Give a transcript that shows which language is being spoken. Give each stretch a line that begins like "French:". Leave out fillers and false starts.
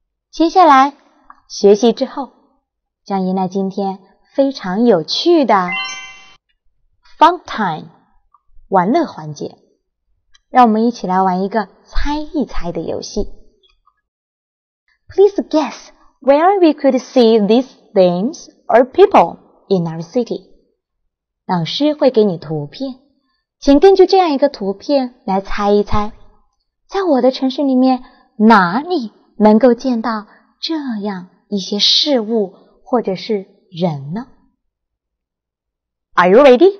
Chinese: 接下来学习之后将迎来今天非常有趣的 fun time, 玩乐环节。让我们一起来玩一个猜一猜的游戏。
English: Please guess where we could see these things or people in our city.
Chinese: 老师会给你图片，请根据这样一个图片来猜一猜，在我的城市里面哪里能够见到这样一些事物或者是人呢？
English: Are you ready?